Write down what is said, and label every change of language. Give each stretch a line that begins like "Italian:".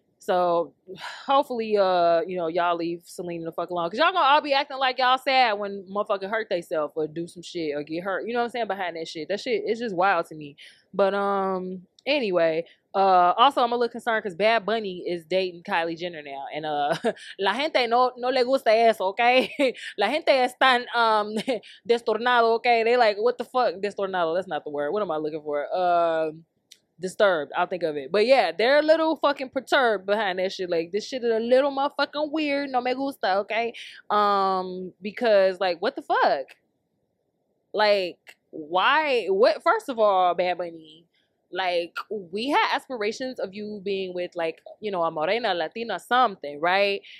English: So hopefully, you know, y'all leave Selena the fuck alone. Because y'all gonna all be acting like y'all sad when motherfucker hurt theyself or do some shit or get hurt. You know what I'm saying? Behind that shit. That shit is just wild to me. But anyway, also, I'm a little concerned because Bad Bunny is dating Kylie Jenner now.
Spanish: And la gente no le gusta eso, okay? La gente están destornado, okay?
English: They like, what the fuck? Destornado, that's not the word. What am I looking for? Disturbed, I'll think of it. But yeah, they're a little fucking perturbed behind that shit. Like, this shit is a little motherfucking weird.
Spanish: No me gusta,
English: okay? Because, like, what the fuck? Like, why? What? First of all, Bad Bunny, like, we had aspirations of you being with, like, you know, a morena, Latina, something, right?